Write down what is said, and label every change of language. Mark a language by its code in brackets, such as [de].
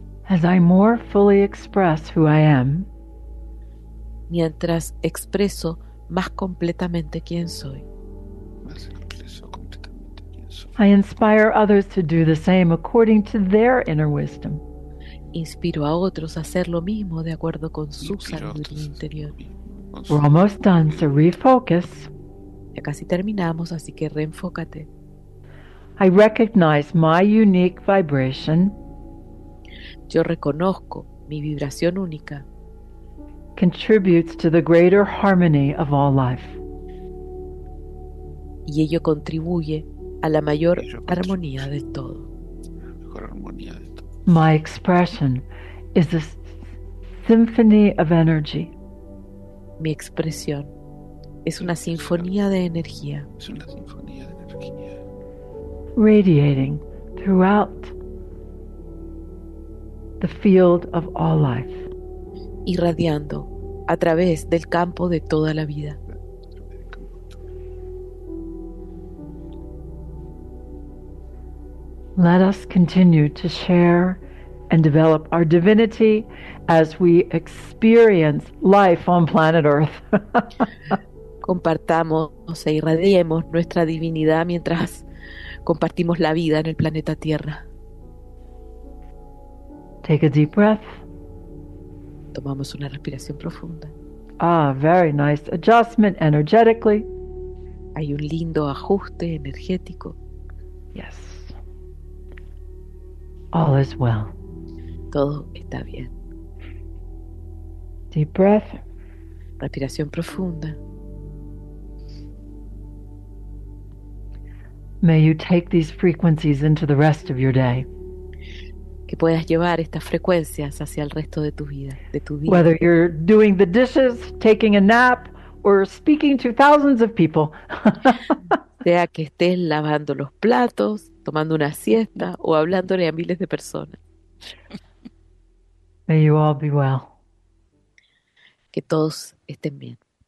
[en] As I more fully express who I am, [es] mientras expreso más completamente quién soy, más expreso completamente quién soy. [en] I inspire others to do the same according to their inner wisdom. [es] Inspiro a otros a hacer lo mismo de acuerdo con su sabiduría interior. [en] We're almost done, so refocus. [es] Ya casi terminamos, así que reenfócate. [en] I recognize my unique vibration. [es] Yo reconozco mi vibración única. [en] Contributes to the greater harmony of all life. [es] Y ello contribuye a la mayor armonía de todo. [en] My expression is a symphony of energy. [es] Mi expresión es una sinfonía de energía. Es una sinfonía de energía. [en] Radiating throughout the field of all life. [es] Irradiando a través del campo de toda la vida. [en] Let us continue to share and develop our divinity as we experience life on planet Earth. [es] Compartamos e irradiemos nuestra divinidad mientras compartimos la vida en el planeta Tierra. [en] Take a deep breath. [es] Tomamos una respiración profunda. [en] Ah, very nice adjustment energetically. [es] Hay un lindo ajuste energético. [en] Yes. All is well. [es] Todo está bien. [en] Deep breath. [es] Respiración profunda. [en] May you take these frequencies into the rest of your day. [es] que puedas llevar estas frecuencias hacia el resto de tu vida, de tu día. [en] Whether you're doing the dishes, taking a nap, or speaking to thousands of people. [es] Sea que estés lavando los platos, tomando una siesta o hablándole a miles de personas. [en] May you all be well. [es] Que todos estén bien.